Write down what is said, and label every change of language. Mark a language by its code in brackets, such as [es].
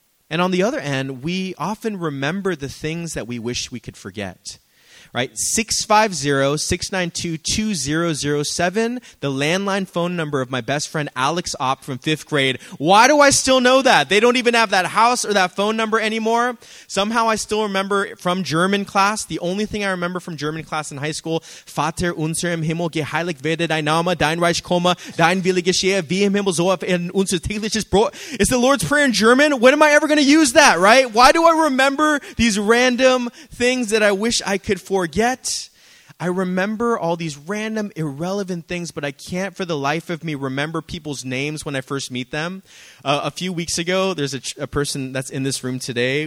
[en] And on the other end, we often remember the things that we wish we could forget, right? 650-692-2007, the landline phone number of my best friend Alex Opp from fifth grade. Why do I still know that? They don't even have that house or that phone number anymore. Somehow I still remember from German class. The only thing I remember from German class in high school, [de] Vater unser im Himmel, geheiligt werde dein Name, dein Reich komme, dein Wille geschehe, wie im Himmel so auf in unser tägliches Brot. [en] Is the Lord's Prayer in German? When am I ever going to use that, right? Why do I remember these random things that I wish I could forget? I remember all these random, irrelevant things, but I can't for the life of me remember people's names when I first meet them. A few weeks ago, there's a person that's in this room today.